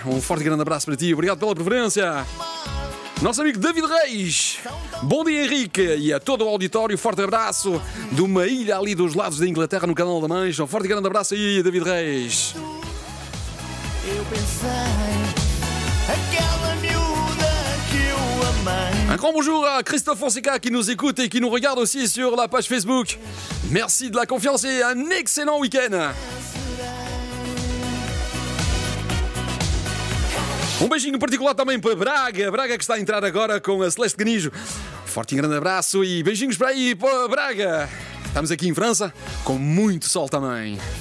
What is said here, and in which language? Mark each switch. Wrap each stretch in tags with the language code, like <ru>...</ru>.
<pt>Um forte e grande abraço para ti, obrigado pela preferência. Nosso amigo David Reis, bom dia Henrique e a todo o auditório, forte abraço de uma ilha ali dos lados da Inglaterra no Canal da Mancha. Um forte e grande abraço aí, David Reis. Eu pensei, aquela miúda que eu amei.</pt> <fr>Un grand bonjour à Christophe Fonseca qui nous écoute et qui nous regarde aussi sur la page Facebook. Merci de la confiance et un excellent week-end.</fr> <pt>Um beijinho particular também para Braga. Braga que está a entrar agora com a Celeste Ganijo. Forte e grande abraço e beijinhos para aí, para Braga. Estamos aqui em França com muito sol também.</pt>